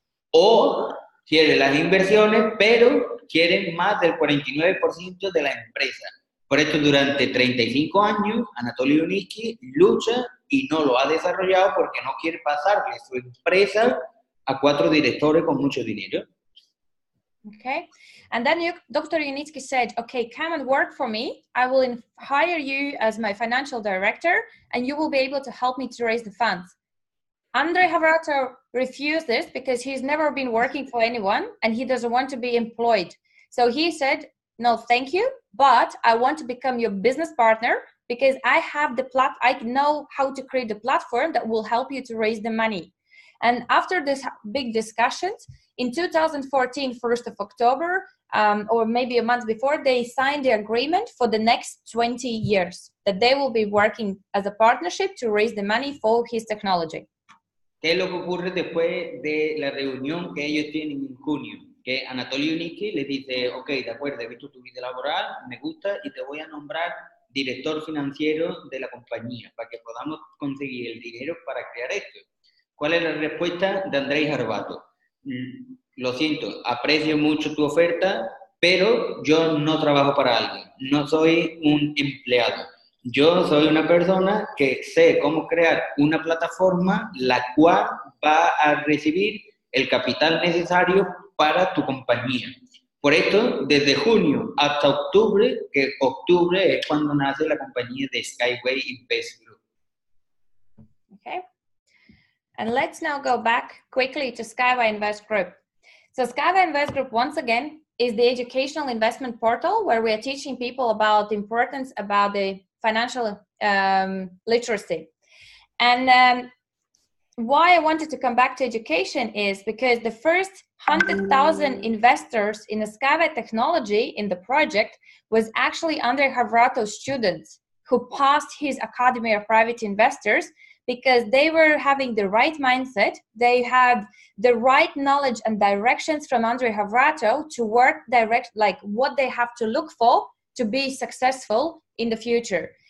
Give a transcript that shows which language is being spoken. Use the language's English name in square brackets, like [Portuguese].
[Spanish] O quiere las inversiones, pero quiere más del 49% de la empresa. Por esto, durante 35 años, Anatoly Bionicki lucha y no lo ha desarrollado porque no quiere pasarle su empresa a cuatro directores con mucho dinero. [English] Okay. And then Dr. Bionicki said, okay, come and work for me. I will hire you as my financial director and you will be able to help me to raise the funds. Andrei Havrato refused this because he's never been working for anyone and he doesn't want to be employed. So he said, no, thank you, but I want to become your business partner because I have the I know how to create the platform that will help you to raise the money. And after this big discussions, in 2014, 1st of October, or maybe a month before, they signed the agreement for the next 20 years that they will be working as a partnership to raise the money for his technology. [Spanish] ¿Qué es lo que ocurre después de la reunión que ellos tienen en junio? Que Anatoly Bionicki le dice, ok, de acuerdo, he visto tu vida laboral, me gusta y te voy a nombrar director financiero de la compañía para que podamos conseguir el dinero para crear esto. ¿Cuál es la respuesta de Andrei Horvato? Lo siento, aprecio mucho tu oferta, pero yo no trabajo para alguien, no soy un empleado. Yo soy una persona que sé cómo crear una plataforma la cual va a recibir el capital necesario para tu compañía. Por esto, desde junio hasta octubre, que octubre es cuando nace la compañía de SkyWay Invest Group. [English] Okay. And let's now go back quickly to SkyWay Invest Group. So SkyWay Invest Group, once again, is the educational investment portal where we are teaching people about the importance about the financial literacy. And why I wanted to come back to education is because the first 100,000 investors in the SkyWay technology in the project was actually Andrei Havrato's students who passed his Academy of Private Investors because they were having the right mindset, they had the right knowledge and directions from Andrei Havrato to work direct, like what they have to look for to be successful in the future.